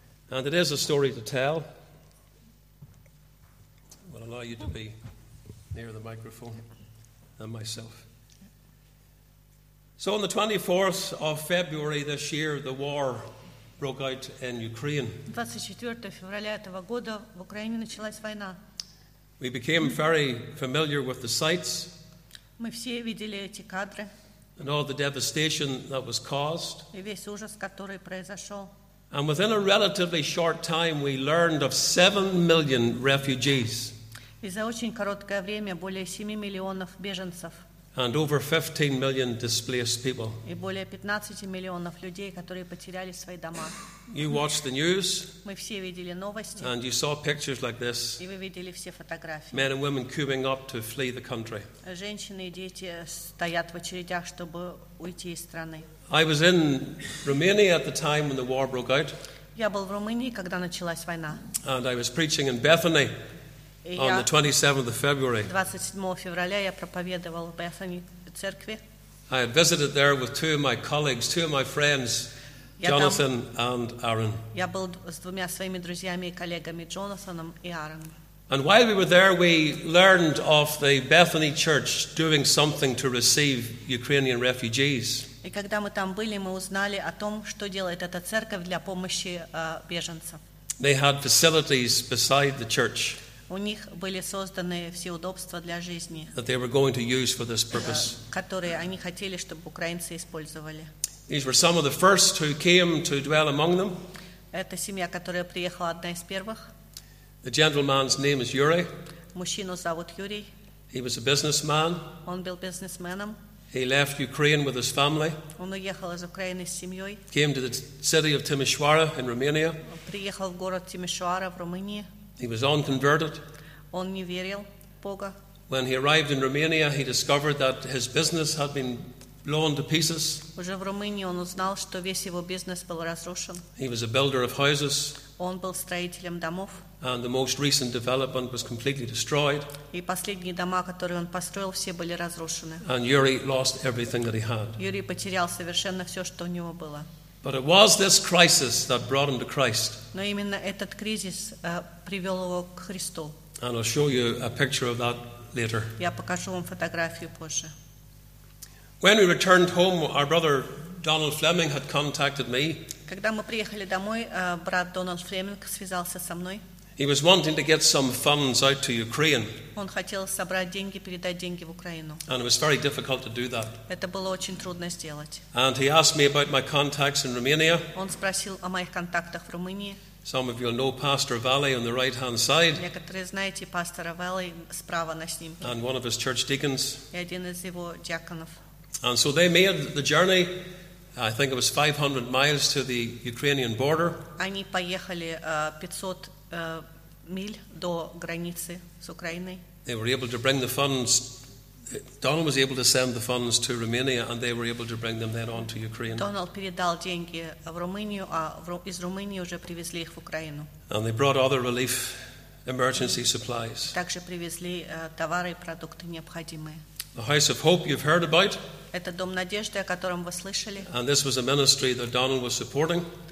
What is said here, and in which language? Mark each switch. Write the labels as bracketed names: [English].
[English] And it is a story to tell. We'll allow you to be near the microphone and myself. So on the 24th of February this year, the war broke out in Ukraine. [Russian] 24 февраля этого года в Украине началась война. [English] We became very familiar with the sights. [Russian] Мы все видели эти кадры. [English] And all the devastation that was caused. [Russian] И весь ужас, который произошел. [English] And within a relatively short time, we learned of 7 million refugees. [Russian] И за очень короткое время более 7 миллионов беженцев. [English] And over 15 million displaced people. [Russian] И более 15 миллионов людей, которые потеряли свои дома. [English] You watched the news. [Russian] Мы все видели новости. [English] And you saw pictures like this. [Russian] И вы видели все фотографии. [English] Men and women queuing up to flee the country. [Russian] Женщины и дети стоят в очередях, чтобы уйти из страны. [English] I was in Romania at the time when the war broke out. [Russian] Я был в Румынии, когда началась война. [English] And I was preaching in Bethany. On the 27th of February. [Russian] 27 февраля я проповедовал в Бефани церкви. [English] I had visited there with two of my colleagues, two of my friends, Jonathan and Aaron. [Russian] Я был с двумя своими друзьями и коллегами Джонатаном и Аароном. [English] And while we were there, we learned of the Bethany Church doing something to receive Ukrainian refugees. [Russian] И когда мы там были, мы узнали о том, что делает эта церковь для помощи беженцам. [English] They had facilities beside the church. [Russian] У них были созданы все удобства для жизни, [English] that they were going to use for this purpose. [Russian] Которые они хотели, чтобы украинцы использовали. [English] These were some of the first who came to dwell among them. [Russian] Это семья, которая приехала одна из первых. [English] The gentleman's name is Yuri. [Russian] Мужчину зовут Юрий. [English] He was a businessman. [Russian] Он был бизнесменом. [English] He left Ukraine with his family. [Russian] Он уехал из Украины с семьей. [English] Came to the city of Timișoara in Romania. [Russian] Он приехал в город Тимишоара в Румынии. [English] He was unconverted. [Russian] Он не верил в Бога. [English] When he arrived in Romania, he discovered that his business had been blown to pieces. [Russian] Уже в Румынии он узнал, что весь его бизнес был разрушен. [English] He was a builder of houses. [Russian] Он был строителем домов. [English] And the most recent development was completely destroyed. [Russian] И последние дома, которые он построил, все были разрушены. [English] And Yuri lost everything that he had. [Russian] Юрий потерял совершенно все, что у него было. [English] But it was this crisis that brought him to Christ. [Russian] Но именно этот кризис привел его к Христу. [English] And I'll show you a picture of that later. [Russian] Я покажу вам фотографию позже. [English] When we returned home, our brother Donald Fleming had contacted me. [Russian] Когда мы приехали домой, брат Дональд Флеминг связался со мной. [English] He was wanting to get some funds out to Ukraine. [Russian] Он хотел собрать деньги, передать деньги в Украину. [English] And it was very difficult to do that. [Russian] Это было очень трудно сделать. [English] And he asked me about my contacts in Romania. [Russian] Он спросил о моих контактах в Румынии. [English] Some of you know Pastor Valley on the right-hand side. [Russian] Некоторые знаете пастора Валли справа на снимке. [English] And one of his church deacons. [Russian] И один из его диаконов. [English] And so they made the journey I think it was 500 miles to the Ukrainian border. [Russian] Они поехали 500 миль до границы с Украиной. [English] They were able to bring the funds. Donald was able to send the funds to Romania, and they were able to bring them then on to Ukraine. [Russian] Donald передал деньги в Румынию, а из Румынии уже привезли их в Украину. [English] And they brought other relief emergency supplies. [Russian] Также привезли товары и продукты необходимые. [English] The House of Hope you've heard about. [Russian] Это дом надежды, о котором вы слышали. [English] And this was a ministry that Donald was supporting.